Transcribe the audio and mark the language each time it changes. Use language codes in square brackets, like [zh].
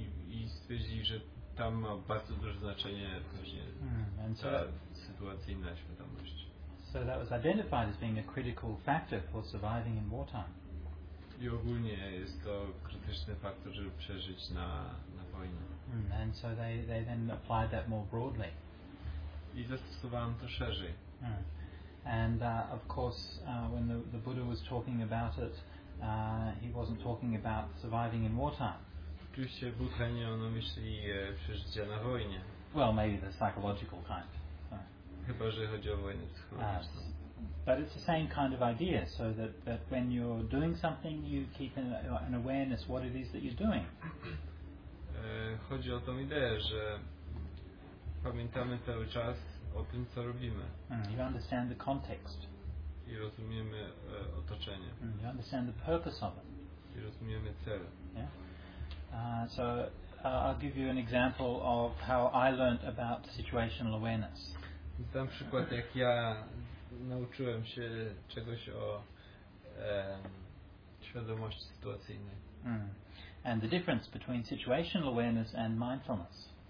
[pl] I stwierdzili, że tam ma bardzo duże znaczenie właśnie ta sytuacyjna świadomość. [en] So that was identified as being a critical factor for surviving in wartime. [pl] I ogólnie jest to krytyczny faktor, żeby przeżyć na wojnie. [en] And so they then applied that more broadly. [pl] I zastosowałem to szerzej. [en] And of course, when the Buddha was talking about it, he wasn't talking about surviving in wartime. [pl] Oczywiście Buddha nie miał na myśli przeżycia na wojnie. [en] Well, maybe the psychological kind. [pl] Chyba, że chodzi o wojnę psychologiczną. [en] But it's the same kind of idea, so that when you're doing something, you keep an awareness what it is that you're doing. [pl] Chodzi o tą ideę, że pamiętamy cały czas o tym, co robimy. [en] You understand the context. [pl] I rozumiemy otoczenie. [en] You understand the purpose of it. [pl] I rozumiemy cel. [en] So I'll give you an example of how I learned about situational awareness. [pl] Dam przykład, jak ja nauczyłem się czegoś o świadomości sytuacyjnej. [en] And the difference between situational awareness and mindfulness.